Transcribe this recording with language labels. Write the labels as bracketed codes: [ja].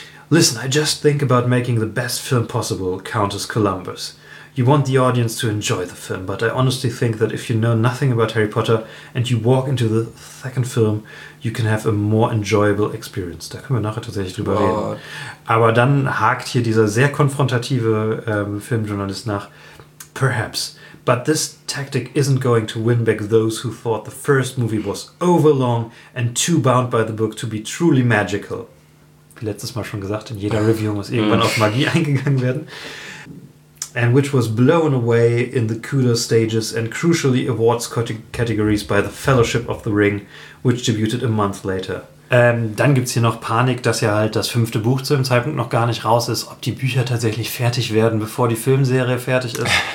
[en] Listen, I just think about making the best film possible, Countess Columbus. You want the audience to enjoy the film, but I honestly think that if you know nothing about Harry Potter and you walk into the second film, you can have a more enjoyable experience. [de] Da können wir nachher tatsächlich drüber reden. Aber dann hakt hier dieser sehr konfrontative Filmjournalist nach. [en] Perhaps. But this tactic isn't going to win back those who thought the first movie was overlong and too bound by the book to be truly magical. [de] Letztes Mal schon gesagt, in jeder Review muss irgendwann auf Magie eingegangen werden. [en] And which was blown away in the kudos stages and crucially awards categories by the Fellowship of the Ring, which debuted a month later. [de] Dann gibt es hier noch Panik, dass ja halt das 5. Buch zu dem Zeitpunkt noch gar nicht raus ist, ob die Bücher tatsächlich fertig werden, bevor die Filmserie fertig ist.